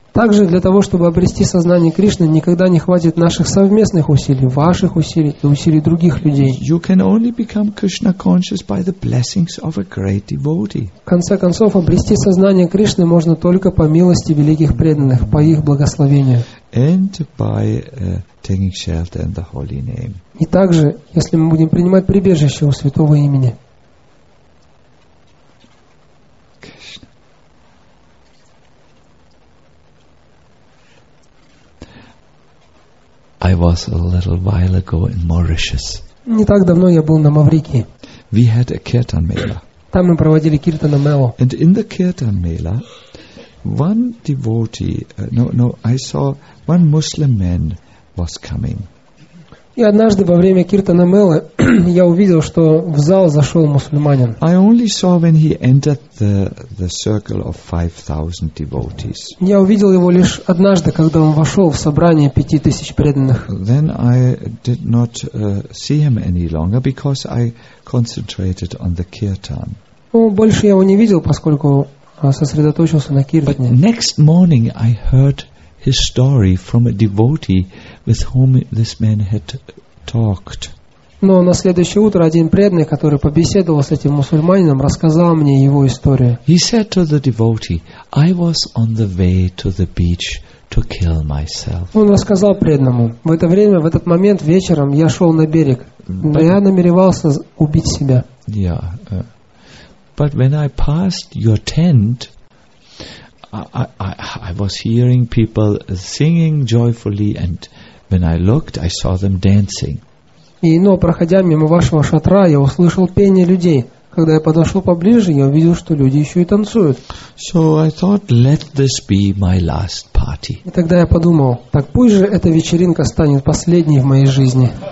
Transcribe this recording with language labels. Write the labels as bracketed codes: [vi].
[ru] Также для того, чтобы обрести сознание Кришны, никогда не хватит наших совместных усилий, ваших усилий и усилий других людей. [en] You can only become Krishna conscious by the blessings of a great devotee. [ru] В конце концов, обрести сознание Кришны можно только по милости великих преданных, по их благословению. [en] And by taking shelter in the holy name. [ru] И также, если мы будем принимать прибежище у святого имени. [en] I was a little while ago in Mauritius. [ru] Не так давно я был на Маврикии. [en] We had a kirtan mela. [ru] Там мы проводили Киртана Мело. [en] And in the Kirtan Mela, one devotee, I saw one Muslim man was coming. [ru] И однажды во время Киртана Мела я увидел, что в зал зашел мусульманин. [en] I only saw when he entered the circle of 5,000 devotees. [ru] Я увидел его лишь однажды, когда он вошел в собрание 5,000 преданных. [en] Then I did not see him any longer because I concentrated on the Kirtan. [ru] Ну, больше я его не видел, поскольку сосредоточился на Киртане. [en] But next morning I heard his story from a devotee with whom this man had talked. [ru] Но на следующее утро один преданный, который побеседовал с этим мусульманином, рассказал мне его историю. [en] He said to the devotee, "I was on the way to the beach to kill myself." [ru] Он рассказал преданному: в это время, в этот момент вечером я шел на берег, но я намеревался убить себя. [en] Yeah, but when I passed your tent, I was hearing people singing joyfully, and when I looked, I saw them dancing. [ru] И, но проходя мимо вашего шатра, я услышал пение людей. Когда я подошел поближе, я увидел, что люди еще и танцуют. [en] So I thought, let this be my last party. [ru] И тогда я подумал, так пусть же эта вечеринка станет последней в моей жизни.